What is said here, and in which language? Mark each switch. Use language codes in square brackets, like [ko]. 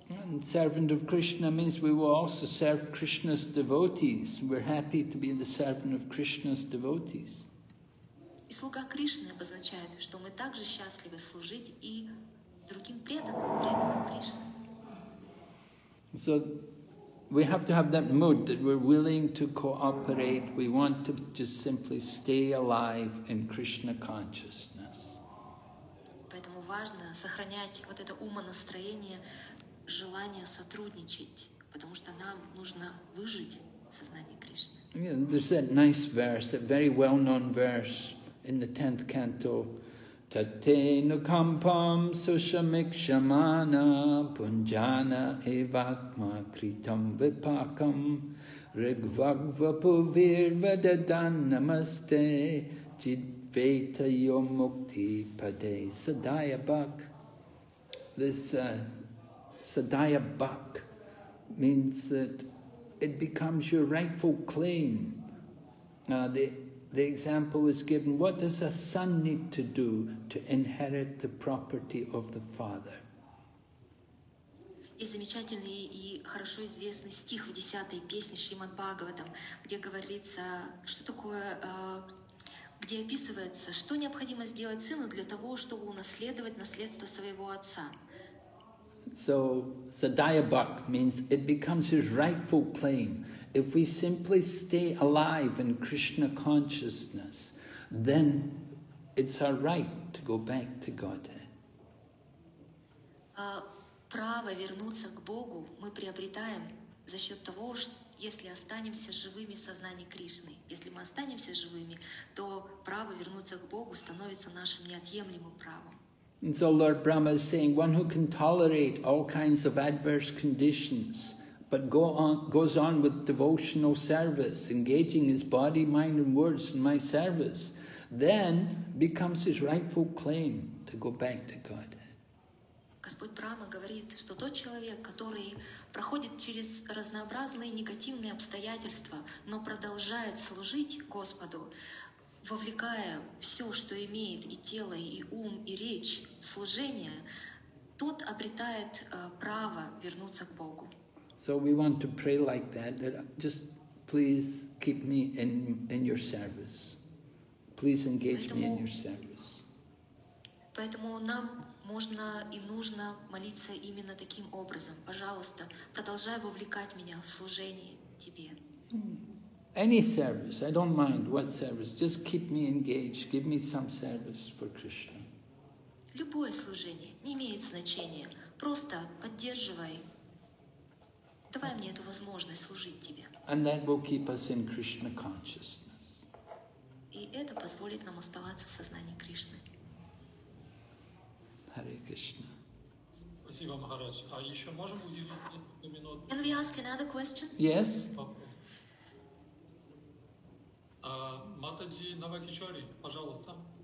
[en] And servant of Krishna means we will also serve Krishna's devotees. We're happy to be the servant of Krishna's devotees. [ru] И слуга Кришны обозначает, что мы также счастливы служить и другим преданным Кришне. [en] So, we have to have that mood that we're willing to cooperate, we want to just simply stay alive in Krishna consciousness. [ru] Поэтому важно сохранять вот это умонастроение, желание сотрудничать, потому что нам нужно выжить в сознании Кришны. [en] Yeah, there's that nice verse, a very well-known verse in the 10th canto. [sa] Tate nukampam sushamikshamana punjana evatma kritam vipakam rigvagvapuvirvadadannamaste jidveta yomukti pade sadayabak. [en] This sadayabak means that it becomes your rightful claim. The example is given, what does a son need to do to inherit the property of the father? [ru] И замечательный и хорошо известный стих в 10-й песне Шримад Бхагаватам, где говорится, что такое, где описывается, что необходимо сделать сыну для того, чтобы унаследовать наследство своего отца. [en] So, sadayabak means it becomes his rightful claim. If we simply stay alive in Krishna consciousness, then it's our right to go back to Godhead. [ru] Право вернуться к Богу мы приобретаем за счет того, что если останемся живыми в сознании Кришны. Если мы останемся живыми, то право вернуться к Богу становится нашим неотъемлемым правом. [en] And so Lord Brahma is saying, one who can tolerate all kinds of adverse conditions, but goes on with devotional service, engaging his body, mind, and words in my service, then becomes his rightful claim to go back to God. [ru] Господь Брама говорит, что тот человек, который проходит через разнообразные негативные обстоятельства, но продолжает служить Господу, вовлекая все, что имеет, и тело, и ум, и речь в служение, тот обретает право вернуться к Богу. [en] So we want to pray like that, that just please keep me in your service. Please engage me in your service. [ru] Поэтому нам можно и нужно молиться именно таким образом. Пожалуйста, продолжай вовлекать меня в служение тебе. [en] Any service, I don't mind what service, just keep me engaged, give me some service for Krishna. [ru] Любое служение не имеет значения, просто поддерживай. Давай мне эту возможность служить тебе. [en] And that will keep us in Krishna consciousness. [ru] И это позволит нам оставаться в сознании Кришны. [en] Hare Krishna. [ru] Спасибо, Махарадж. А еще можем уделить несколько минут? [en] Can we ask another question? Yes. [ru] Матаджи Навакишори, пожалуйста.